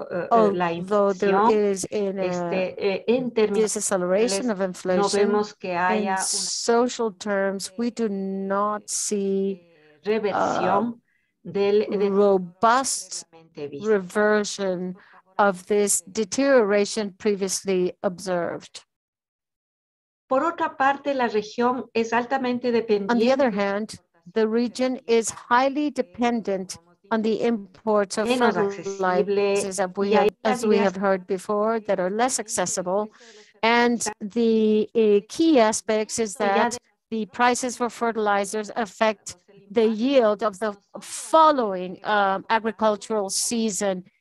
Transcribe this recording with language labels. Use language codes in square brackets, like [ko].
[en] although there is in a disacceleration of inflation, [es] no vemos que haya [en] in social terms, we do not see robust reversion of this deterioration previously observed. [es] Por otra parte, la región es altamente dependiente. [en] On the other hand, the region is highly dependent on the imports of fertilizers, as we have heard before, that are less accessible. And the key aspects is that the prices for fertilizers affect the yield of the following agricultural season.